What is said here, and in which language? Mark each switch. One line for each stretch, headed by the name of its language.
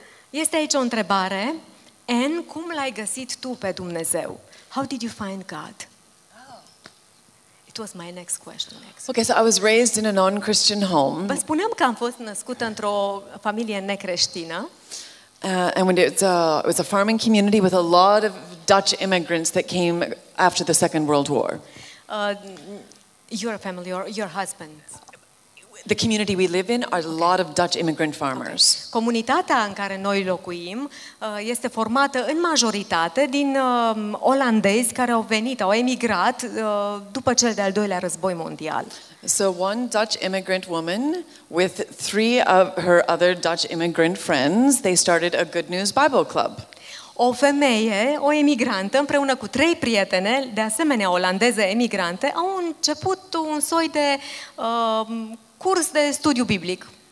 Romanian: Este aici o întrebare. Anne, cum l-ai găsit tu pe Dumnezeu?
English: How did you find God? It was my next question. Okay, so I was raised in a non-Christian home.
Romanian: Vă spuneam că am fost născută într-o familie necreștină.
English: And when it was a farming community with a lot of Dutch immigrants that came after the Second World War. Your family or your husband? The community we live in are a lot of Dutch immigrant farmers. Okay.
Romanian: Comunitatea în care noi locuim este formată în majoritate din olandezi care au venit, au emigrat după cel de-al doilea război mondial.
English: So one Dutch immigrant woman with three of her other Dutch immigrant friends, they started a Good News Bible Club.
Romanian: O femeie, o emigrantă, împreună cu trei prietene, de asemenea olandeze emigrante, au început un soi de curs de studiu biblic.